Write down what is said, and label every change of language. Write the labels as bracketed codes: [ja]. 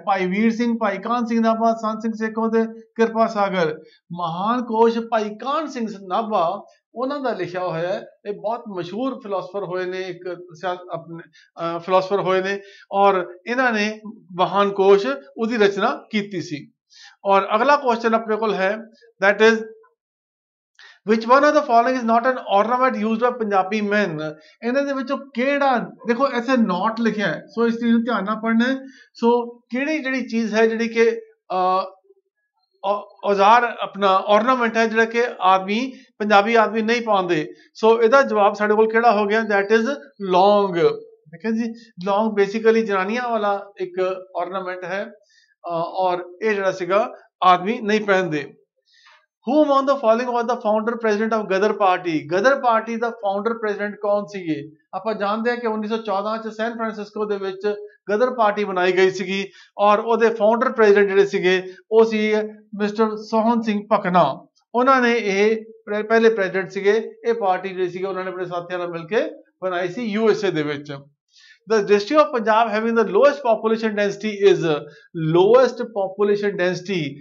[pa] ਭਾਈ ਵੀਰ ਸਿੰਘ, ਭਾਈ ਕਾਨ ਸਿੰਘ ਨਾਭਾ, ਸੰਤ ਸਿੰਘ ਸੇਖੋਂ ਤੇ ਕਿਰਪਾ ਸਾਗਰ। ਮਹਾਨ ਕੋਸ਼ ਭਾਈ ਕਾਨ ਸਿੰਘ ਨਾਭਾ ਉਹਨਾਂ ਦਾ ਲਿਖਿਆ ਹੋਇਆ ਹੈ। ਇਹ ਬਹੁਤ ਮਸ਼ਹੂਰ ਫਿਲੋਸਫਰ ਹੋਏ ਨੇ, ਇੱਕ ਆਪਣੇ ਫਿਲੋਸਫਰ ਹੋਏ ਨੇ, ਔਰ ਇਹਨਾਂ ਨੇ ਮਹਾਨ ਕੋਸ਼ ਉਹਦੀ ਰਚਨਾ ਕੀਤੀ ਸੀ। ਔਰ ਅਗਲਾ ਕੁਐਸਚਨ ਆਪਣੇ ਕੋਲ ਹੈ, [en] That is Which one of the following is not an ornament used by Punjabi men? [pa] ਇਹਨਾਂ ਦੇ ਵਿੱਚੋਂ ਕਿਹੜਾ, ਦੇਖੋ ਇੱਥੇ ਨੋਟ ਲਿਖਿਆ ਹੈ, ਸੋ ਇਸ ਚੀਜ਼ ਨੂੰ ਧਿਆਨ ਨਾਲ ਪੜ੍ਹਨਾ ਹੈ। ਸੋ ਕਿਹੜੀ ਜਿਹੜੀ ਚੀਜ਼ ਹੈ ਜਿਹੜੀ ਕਿ ਔਜ਼ਾਰ ਆਪਣਾ ਔਰਨਾਮੈਂਟ ਹੈ ਜਿਹੜਾ ਕਿ ਆਦਮੀ ਪੰਜਾਬੀ ਆਦਮੀ ਨਹੀਂ ਪਾਉਂਦੇ? ਸੋ ਇਹਦਾ ਜਵਾਬ ਸਾਡੇ ਕੋਲ ਕਿਹੜਾ ਹੋ ਗਿਆ? [en] that is [pa] ਲੌਂਗ। ਦੇਖਿਆ ਜੀ, ਲੌਂਗ ਬੇਸਿਕਲੀ ਜਨਾਨੀਆਂ ਵਾਲਾ ਇੱਕ ਔਰਨਾਮੈਂਟ ਹੈ, ਔਰ ਇਹ ਜਿਹੜਾ ਸੀਗਾ ਆਦਮੀ ਨਹੀਂ ਪਹਿਨਦੇ। [en] Who among the following was the founder president of Gadar Party? Gadar Party ਦਾ founder president [pa] ਕੌਣ ਸੀਗੇ? ਆਪਾਂ ਜਾਣਦੇ ਹਾਂ ਕਿ 1914 ਚ ਸੈਨ ਫਰਾਂਸਿਸਕੋ ਦੇ ਵਿੱਚ ਗਦਰ ਪਾਰਟੀ ਬਣਾਈ ਗਈ ਸੀਗੀ, ਔਰ ਉਹਦੇ ਫਾਊਂਡਰ ਪ੍ਰੈਜੀਡੈਂਟ ਜਿਹੜੇ ਸੀਗੇ ਉਹ ਸੀ ਮਿਸਟਰ ਸੋਹਨ ਸਿੰਘ ਭਕਨਾ। ਉਹਨਾਂ ਨੇ ਇਹ ਪਹਿਲੇ ਪ੍ਰੈਜੀਡੈਂਟ ਸੀਗੇ, ਇਹ ਪਾਰਟੀ ਜਿਹੜੀ ਸੀਗੀ ਉਹਨਾਂ ਨੇ ਆਪਣੇ ਸਾਥੀਆਂ ਨਾਲ ਮਿਲ ਕੇ ਬਣਾਈ ਸੀ USA ਦੇ ਵਿੱਚ। [en] The district of Punjab having the lowest population density is lowest population density.